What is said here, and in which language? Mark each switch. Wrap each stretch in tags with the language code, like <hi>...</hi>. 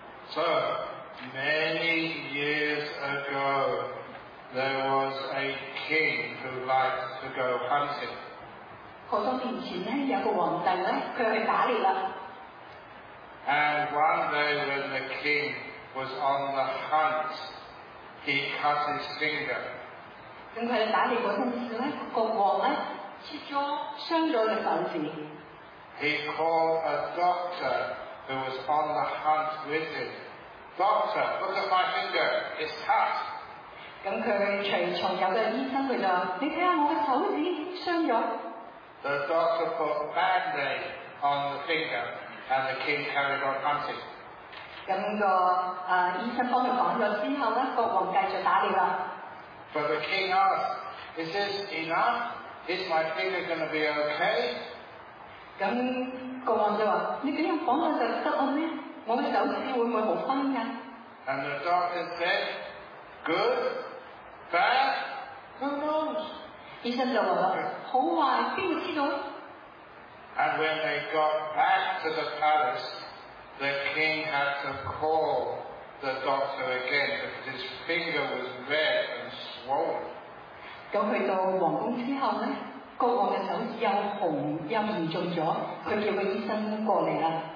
<en>So, many years ago, there was a king who liked to go hunting.</en> <yue>好多年前有個皇帝呢，他去打獵了。</yue> <en>And one day when the king was on the hunt, he cut his finger.</en> <yue>當佢打獵嗰陣時咧，個王咧切咗傷咗隻手指。</yue> <en>He called a doctor who was on the hunt with him. Doctor, look at my finger. It's cut.</en> <yue>咁佢隨從有個醫生佢就，你睇下我嘅手指傷咗。</yue> <en>The doctor put Band-Aid on the finger. And the king carried on hunting.</en> <yue>咁個醫生幫佢講咗之後咧，國王繼續打獵啦。</yue> <en>But the king asked, "Is this enough? Is my finger going to be okay?"</en> <yue>咁國王就話：你俾人講我就得啦咩？我嘅手指會唔會好翻嘅</yue> <en>？And the doctor said, "Good, bad, who knows?"</en> <yue>醫生就話：好壞，邊個知道？</yue> <en>And when they got back to the palace, the king had to call the doctor again because his finger was red and swollen.</en> <yue>咁去到皇宮之後咧，國王嘅手又紅又嚴重咗，佢叫個醫生過嚟啦。</yue>